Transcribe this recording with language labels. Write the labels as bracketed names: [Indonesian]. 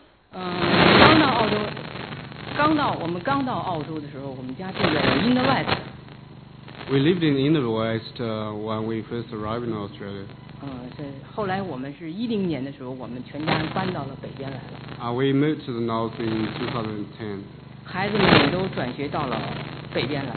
[Chinese] 刚到澳洲的时候，我们家住在英格兰。 [English] We lived in the Inner West when we first arrived in Australia. [Chinese] 后来我们是2010年的时候，我们全家搬到了北边来了。 [English] We moved to the north in 2010. [Chinese] 孩子们也都转学到了北边来。